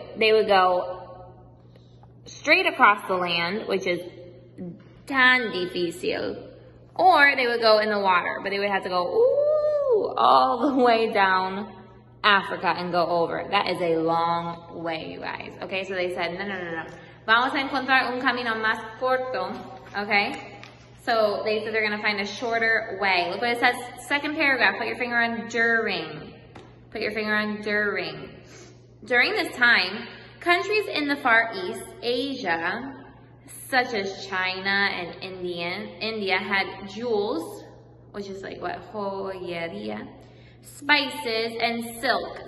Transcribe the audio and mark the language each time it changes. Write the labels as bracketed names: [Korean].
[English] They would go straight across the land, which is [Spanish] tan difícil, [English] or they would go in the water, but they would have to go all the way down Africa and go over. That is a long way, you guys, okay? So they said, no. [Spanish] Vamos a encontrar un camino más corto, okay? [English] So they said they're gonna find a shorter way. Look what it says, second paragraph, put your finger on during. Put your finger on during. During this time, countries in the Far East, Asia, such as China and India had jewels, which is like what, joyería, spices and silk.